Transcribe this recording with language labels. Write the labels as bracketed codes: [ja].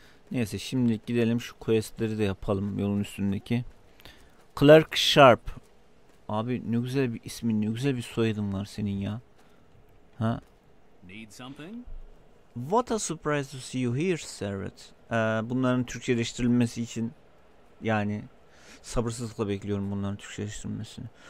[tr] Neyse, şimdi gidelim şu questleri de yapalım yolun üstündeki. Clark Sharp. Abi ne güzel bir ismin, ne güzel bir soyadın var senin ya. Ha? [en] Need something? What a surprise to see you here, Servet. [tr] Bunların Türkçeleştirilmesi için yani sabırsızlıkla bekliyorum bunların Türkçeleştirilmesini.